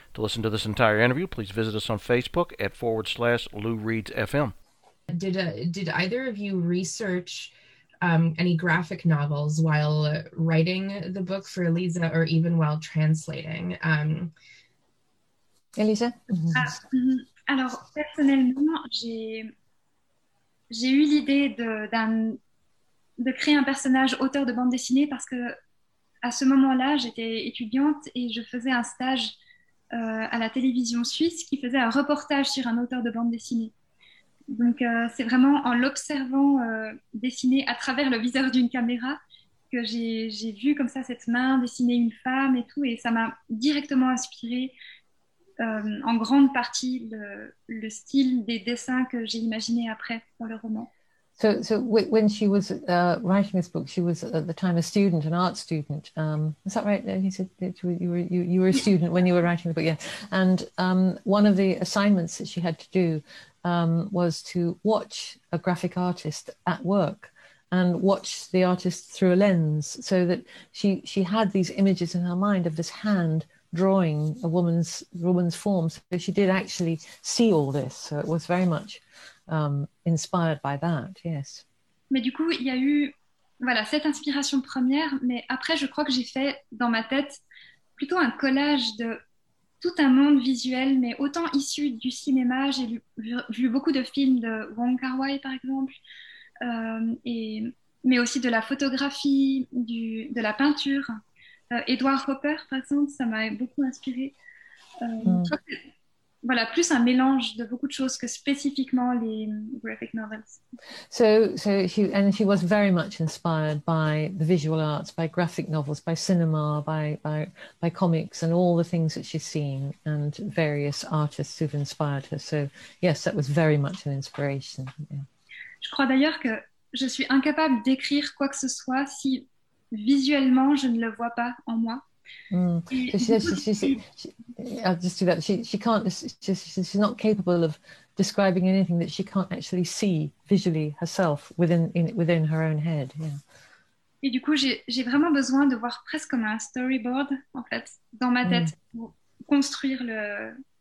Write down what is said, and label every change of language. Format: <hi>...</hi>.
<en>To listen to this entire interview, please visit us on Facebook at @LouReadsFM. Did either of you research any graphic novels while writing the book for Eliza or even while translating? Eliza?</en> <fr>Alors, personnellement, j'ai eu l'idée de créer un personnage auteur de bande dessinée parce que à ce moment-là, j'étais étudiante et je faisais un stage à la télévision suisse qui faisait un reportage sur un auteur de bande dessinée. Donc, c'est vraiment en l'observant dessiner à travers le viseur d'une caméra que j'ai vu comme ça cette main dessiner une femme et tout. Et ça m'a directement inspirée en grande partie le style des dessins que j'ai imaginé après pour le roman.</fr> <en>So when she was writing this book, she was at the time a student, an art student. Is that right? He said that you were a student when you were writing the book, yeah. And one of the assignments that she had to do was to watch a graphic artist at work and watch the artist through a lens, so that she had these images in her mind of this hand drawing a woman's form. So she did actually see all this. So it was very much inspired by that, yes.</en> <fr>Mais du coup, il y a eu voilà, cette inspiration première, mais après, je crois que j'ai fait dans ma tête plutôt un collage de tout un monde visuel, mais autant issu du cinéma. J'ai vu beaucoup de films de Wong Kar-wai, par exemple, mais aussi de la photographie, de la peinture. Edward Hopper, par exemple, ça m'a beaucoup inspirée. Voilà, plus un mélange de beaucoup de choses que spécifiquement les graphic novels.</fr> <en>So she was very much inspired by the visual arts, by graphic novels, by cinema, by comics and all the things that she's seen and various artists who've inspired her. So yes, that was very much an inspiration. Yeah.</en> <fr>Je crois d'ailleurs que je suis incapable d'écrire quoi que ce soit si visuellement je ne le vois pas en moi.</fr> <en>She's not capable of describing anything that she can't actually see visually herself within her own head. Yeah.</en> <fr>Et du coup, j'ai vraiment besoin de voir presque comme un storyboard en fait dans ma tête pour construire le.</fr>